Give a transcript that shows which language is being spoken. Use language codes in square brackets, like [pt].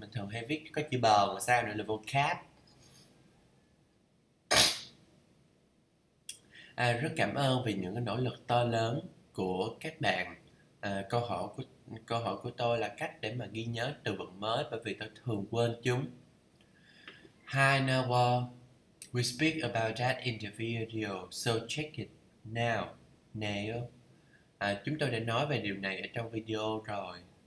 [vi] Mình thường hay viết có chữ bờ mà sao nữa là vocab. À, rất cảm ơn vì những cái nỗ lực to lớn của các bạn. À, câu hỏi của tôi là cách để mà ghi nhớ từ vựng mới bởi vì tôi thường quên chúng. [en] Hi Nawal, we speak about that in the video, so check it now. [vi] À, chúng tôi đã nói về điều này ở trong video rồi.